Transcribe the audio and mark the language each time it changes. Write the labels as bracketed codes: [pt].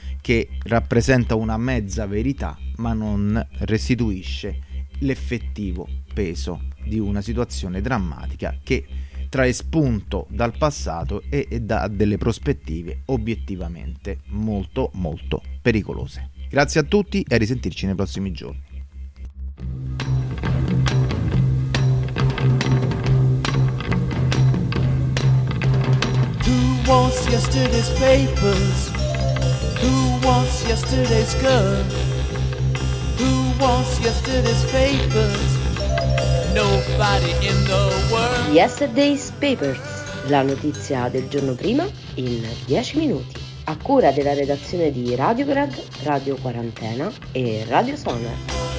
[it] che rappresenta una mezza verità, ma non restituisce l'effettivo peso di una situazione drammatica che trae spunto dal passato e da delle prospettive obiettivamente molto molto pericolose. Grazie a tutti e a risentirci nei prossimi giorni. [en] Who wants yesterday's papers? Who wants yesterday's gun? Who wants yesterday's papers? Nobody in the world. [it] Yesterday's Papers, la notizia del giorno prima in 10 minuti. A cura della redazione di Radiograd, Radio Quarantena e Radio Sonar.